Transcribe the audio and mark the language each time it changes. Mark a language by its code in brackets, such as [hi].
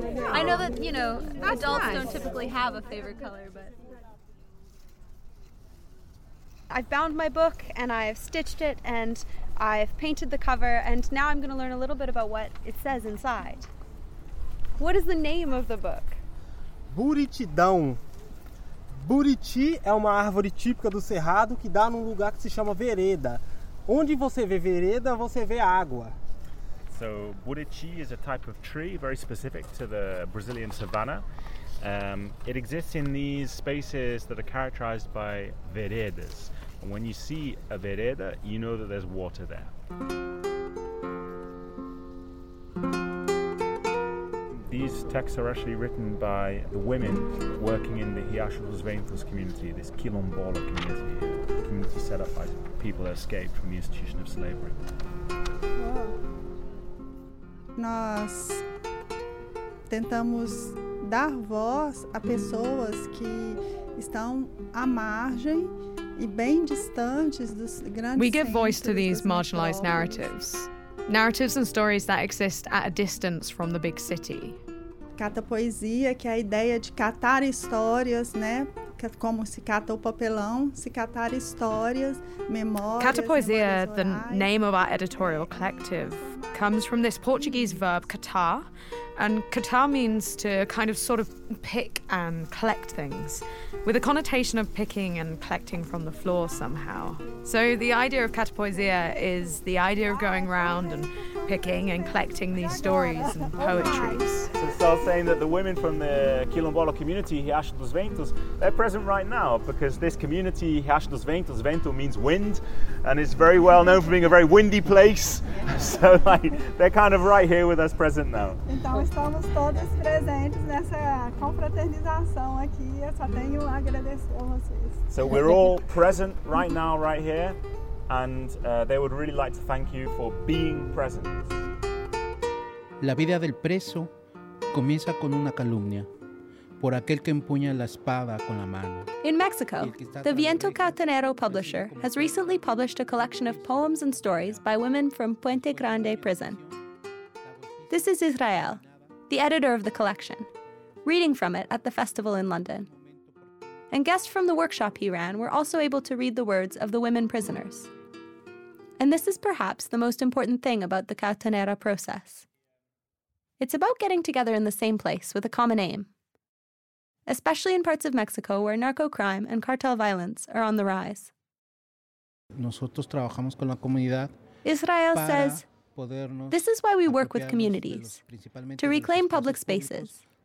[en] I know that, you know, that's adults nice. Don't typically have a favorite color, but I've bound my book and I've stitched it and I've painted the cover and now I'm going to learn a little bit about what it says inside. What is the name of the book? [pt] Buritidão. Buriti é uma árvore típica do Cerrado que dá num lugar que se chama Vereda. Onde você vê Vereda, você vê água. [en] So, Buriti is a type of tree very specific to the Brazilian savanna. It exists in these spaces that are characterized by veredas. And when you see a vereda, you know that there's water there. these texts are actually written by the women working in the Hiashu's Rainforest community, this Quilombola community, a community set up by people that escaped from the institution of slavery. [pt] Nós tentamos dar voz a pessoas que estão à margem e bem distantes dos grandes. [en] We give voice to these marginalized narratives. Narratives and stories that exist at a distance from the big city. [pt] Cata poesia, que é a ideia de catar histórias, né? Como se cata o papelão, se catar histórias, memórias. [en] Cata poesia, the name of our editorial collective, comes from this Portuguese verb catar, and catar means to kind of sort of pick and collect things, with a connotation of picking and collecting from the floor somehow. So the idea of cata poesia is the idea of going round and picking and collecting these stories and poetries. So saying that the women from the Quilombola community, Riacho dos Ventos, they're present right now, because this community, Riacho dos Ventos, vento means wind, and it's very well known for being a very windy place. So like, they're kind of right here with us present now. [pt] Então estamos todos presentes nessa confraternização aqui. Eu só tenho a agradecer a vocês. [en] So we're all present right now, right here, and they would really like to thank you for being present. [es] La vida del preso comienza con una calumnia por aquel que empuña la espada con la mano. [en] In Mexico, the Viento Cautanero publisher has recently published a collection of poems and stories by women from Puente Grande prison. This is Israel, the editor of the collection, reading from it at the festival in London. And guests from the workshop he ran were also able to read the words of the women prisoners. And this is perhaps the most important thing about the Cautanera process. It's about getting together in the same place with a common aim, especially in parts of Mexico where narco-crime and cartel violence are on the rise. [es] Nosotros trabajamos con la comunidad. [en] Israel says, this is why we work with communities, to reclaim public spaces.